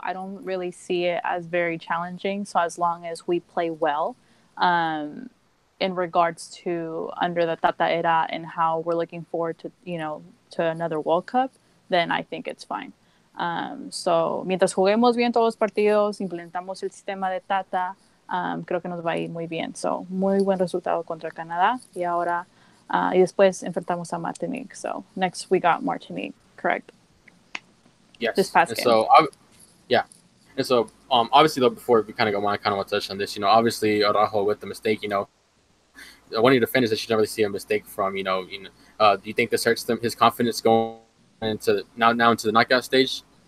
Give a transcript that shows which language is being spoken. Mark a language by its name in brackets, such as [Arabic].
[English] I don't really see it as very challenging. So as long as we play well, in regards to under the Tata era and how we're looking forward to, you know, to another World Cup, then I think it's fine. [Spanish] So mientras juguemos bien todos los partidos, implementamos el sistema de Tata, creo que nos va a ir muy bien. So muy buen resultado contra Canadá, y ahora y después enfrentamos a Martinique. [English] So next we got Martinique, correct? Yes. This past game. So obviously though, before we kind of go on, I kind of want to touch on this. You know, obviously Araujo with the mistake. You know, one of your defenders that you don't really see a mistake from. You know, do you think this hurts them, his confidence going into now into the knockout stage?